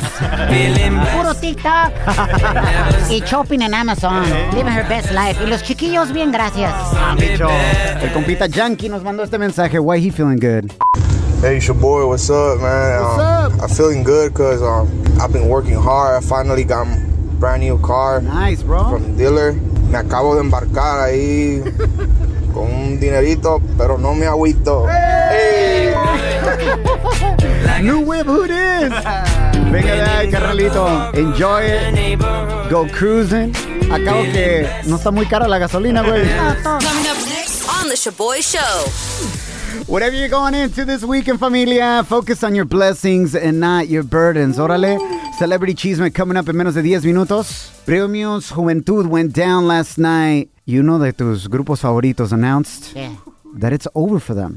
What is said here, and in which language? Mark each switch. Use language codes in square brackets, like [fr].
[es] Puro TikTok. Y shopping en Amazon. [en] Living her best life. [es] Y los chiquillos bien, gracias. El compita Yankee nos mandó este mensaje. [en] Why he feeling good? Hey, it's your boy. What's up, man? What's up? I'm feeling good because I've been working hard. I finally got my brand new car. Nice, bro. From the dealer. [es] Me acabo de embarcar ahí con un dinerito, pero no me agüito. [en] New whip, who this? [es] Venga, carnalito. [en] Enjoy it. Go cruising. [es] Acabo que no está muy cara la gasolina, güey. [en] Coming up next on the Shaboy Show. Whatever you're going into this weekend, familia, focus on your blessings and not your burdens. Órale. Celebrity Chisme coming up in [es] menos de 10 minutos. [en] Premios Juventud went down last night. You know that [es] tus grupos favoritos [en] announced that it's over for them.